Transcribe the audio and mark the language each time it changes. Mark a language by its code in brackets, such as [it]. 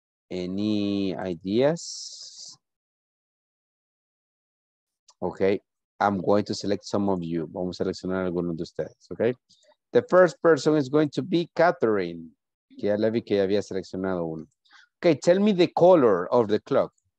[en] Any ideas? Okay. I'm going to select some of you. [es] Vamos a seleccionar algunos de ustedes, [en] okay? The first person is going to be Catherine. [es] Que ya le vi que ya había seleccionado uno. [en] Okay, tell me the color of the clock.